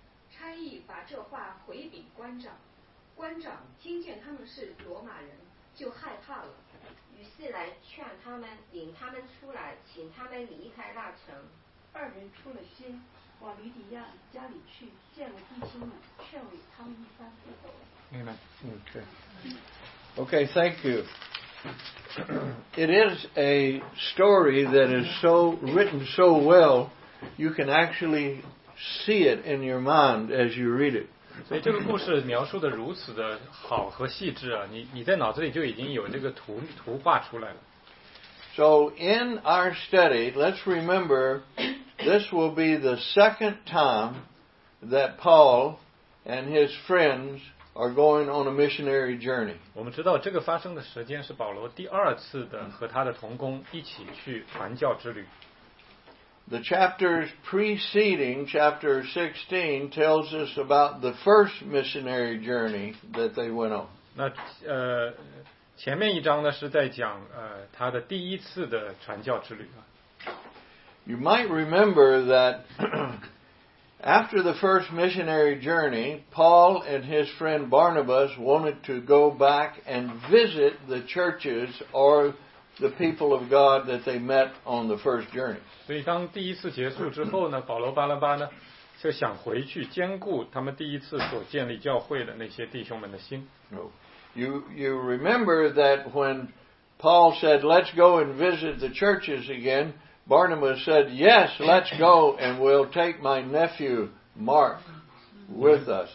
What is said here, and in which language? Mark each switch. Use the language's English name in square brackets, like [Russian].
[Chinese] 差役把这话回禀官长，官长听见他们是罗马人，就害怕了，于是来劝他们，领他们出来，请他们离开那城。二人出了心，往吕底亚家里去，见了弟兄们，劝慰他们一番，就走了。 [English] Amen. Okay. Okay. Thank you. It is a story that is so written so well, you can actually see it in your mind as you read it. [Chinese] 所以这个故事描述的如此的好和细致啊，你在脑子里就已经有这个图画出来了。 [English] So in our study, let's remember, this will be the second time that Paul and his friends are going on a missionary journey. [Chinese] 我们知道这个发生的时间是保罗第二次的和他的同工一起去传教之旅。 [English] The chapters preceding chapter 16 tells us about the first missionary journey that they went on. [Chinese] 那前面一章呢是在讲他的第一次的传教之旅啊。 [English] You might remember that after the first missionary journey, Paul and his friend Barnabas wanted to go back and visit the churches or the people of God that they met on the first journey. [Chinese] 所以当第一次结束之后呢，保罗巴拉巴呢就想回去兼顾他们第一次所建立教会的那些弟兄们的心。 [English] You remember that when Paul said, let's go and visit the churches again, Barnabas said, yes, let's go and we'll take my nephew Mark with us.